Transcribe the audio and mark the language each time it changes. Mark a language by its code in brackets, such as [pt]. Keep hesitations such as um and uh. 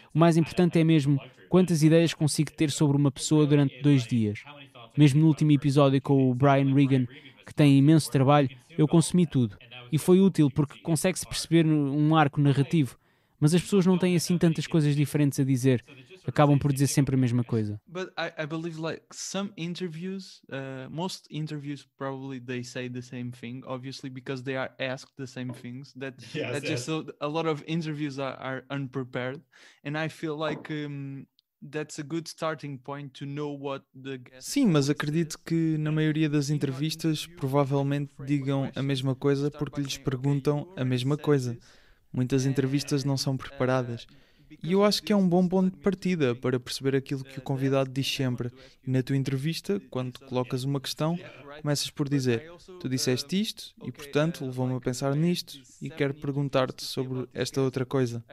[pt] O mais importante é mesmo quantas ideias consigo ter sobre uma pessoa durante dois dias. Mesmo no último episódio com o Brian Regan, que tem imenso trabalho, eu consumi tudo. E foi útil porque consegue-se perceber um arco narrativo. Mas as pessoas não têm assim tantas coisas diferentes a dizer. Acabam por dizer sempre a mesma coisa. [en] But I, I believe like some interviews, uh, most interviews probably they say the same thing, obviously because they are asked the same things. That Yes, that just a, a lot of interviews are, are unprepared, and I feel like um, that's a good starting point to know what the guest. [pt] Sim, mas acredito que na maioria das entrevistas provavelmente digam a mesma coisa porque lhes perguntam a mesma coisa. Muitas entrevistas não são preparadas. E eu acho que é um bom ponto de partida para perceber aquilo que o convidado diz sempre. E na tua entrevista, quando colocas uma questão, começas por dizer: Tu disseste isto e, portanto, levou-me a pensar nisto e quero perguntar-te sobre esta outra coisa.